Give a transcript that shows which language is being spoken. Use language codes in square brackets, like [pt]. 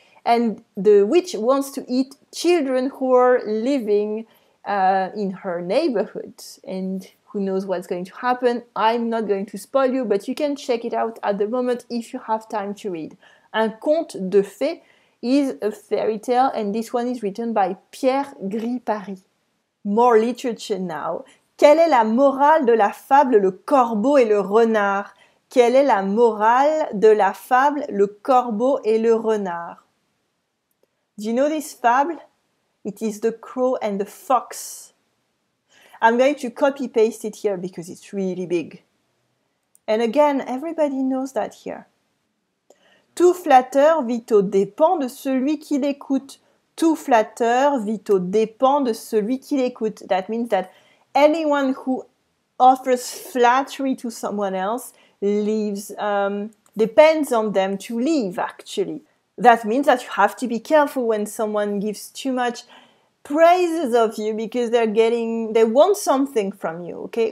[en] And the witch wants to eat children who are living in her neighborhood. And who knows what's going to happen? I'm not going to spoil you, but you can check it out at the moment if you have time to read. Un conte de fées is a fairy tale, and this one is written by Pierre Gripari. More literature now. [fr] Quelle est la morale de la fable Le Corbeau et le Renard? Quelle est la morale de la fable Le Corbeau et le Renard? [en] Do you know this fable? It is The Crow and the Fox. I'm going to copy-paste it here because it's really big. And again, everybody knows that here. [fr] Tout flatteur vit aux dépens de celui qui l'écoute. Tout flatteur vit aux dépens de celui qui l'écoute. [en] That means that anyone who offers flattery to someone else depends on them to leave, actually. That means that you have to be careful when someone gives too much praises of you because they want something from you, okay?